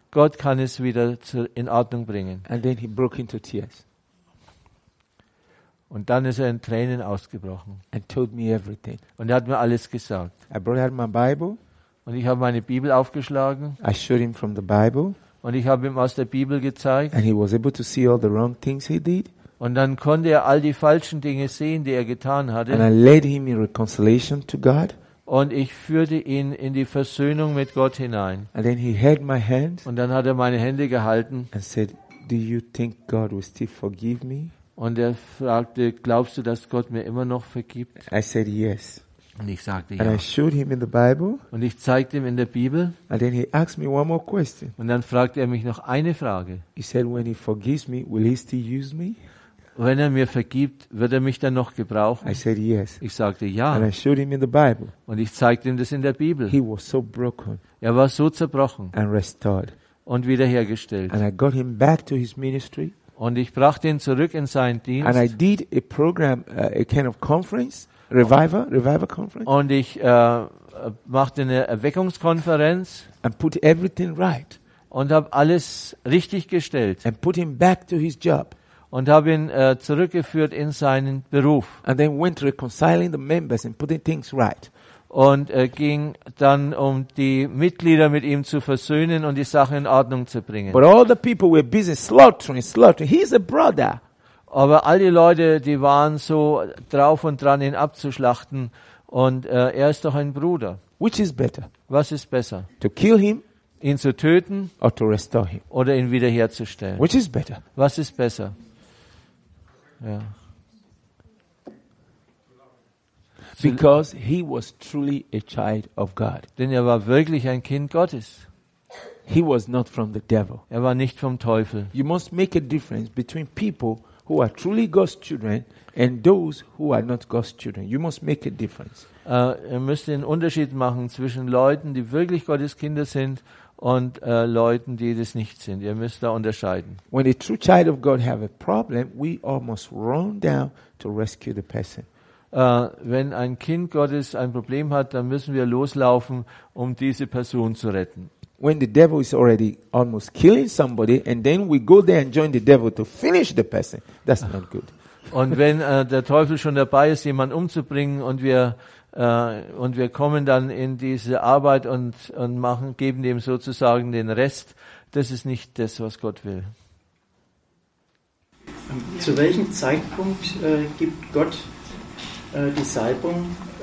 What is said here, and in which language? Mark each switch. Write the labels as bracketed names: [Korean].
[German] Gott kann es wieder in Ordnung bringen. [English] And then he broke into tears. [German] Und dann ist er in Tränen ausgebrochen. [English] And told me everything. [German] Und er hat mir alles gesagt. [English] I brought out my Bible. [German] Und ich habe meine Bibel aufgeschlagen. [English] I showed him from the Bible. [German] Und ich habe ihm aus der Bibel gezeigt. [English] And he was able to see all the wrong things he did. [German] Und dann konnte er all die falschen Dinge sehen, die er getan hatte. [English] And I led him in reconciliation to God. [German] Und ich führte ihn in die Versöhnung mit Gott hinein. [English] And then he held my hand. [German] Und dann hat er meine Hände gehalten. [English] And said, "Do you think God will still forgive me?" [German] Und er fragte, glaubst du, dass Gott mir immer noch vergibt? [English] I said yes. [German] Und ich sagte [English] and [German] ja. [English] I showed him in the Bible. [German] Und ich zeigte ihm in der Bibel. [English] And then he asked me one more question. [German] Und dann fragte er mich noch eine Frage. [English] He said, "When he forgives me, will he still use me?" [German] Wenn er mir vergibt, wird er mich dann noch gebrauchen? [English] I said yes. [German] Ich sagte ja. [English] And I showed him in the Bible. [German] Und ich zeigte ihm das in der Bibel. [English] He was so broken. [German] Er war so zerbrochen. [English] And restored. [German] Und wiederhergestellt. [English] And I got him back to his ministry. [German] Und ich brachte ihn zurück in seinen Dienst. [English] And I did a program, a kind of conference, revival conference. [German] Und ich machte eine Erweckungskonferenz. [English] And put everything right. [German] Und habe alles richtig gestellt. [English] And put him back to his job. [German] Und habe ihn zurückgeführt in seinen Beruf. [English] And then went reconciling the members and putting things right. [German] Und ging dann, um die Mitglieder mit ihm zu versöhnen und die Sache in Ordnung zu bringen. [English] But all the people were busy slaughtering. He's a brother. [German] Aber all die Leute, die waren so drauf und dran, ihn abzuschlachten. Und er ist doch ein Bruder. [English] Which is better? [German] Was ist besser? [English] To kill him? [German] Ihn zu töten [English] or to restore him. [German] Oder ihn wiederherzustellen. [English] Which is better? [German] Was ist besser? Ja. [English] Because he was truly a child of God. [German] Denn er war wirklich ein Kind Gottes. [English] He was not from the devil. [German] Er war nicht vom Teufel. [English] You must make a difference between people who are truly God's children and those who are not God's children. You must make a difference. [German] Er müsste einen Unterschied machen zwischen Leuten, die wirklich Gottes Kinder sind, und Leuten, die das nicht sind. Ihr müsst da unterscheiden. [English] When a true child of God have a problem, we almost run down to rescue the person. [German] Wenn ein Kind Gottes ein Problem hat, dann müssen wir loslaufen, um diese Person zu retten. [English] When the devil is already almost killing somebody and then we go there and join the devil to finish the person, that's not good. [German] Und wenn der Teufel schon dabei ist, jemanden umzubringen und wir kommen dann in diese Arbeit und machen, geben dem sozusagen den Rest. Das ist nicht das, was Gott will. Zu welchem Zeitpunkt gibt Gott die Salbung?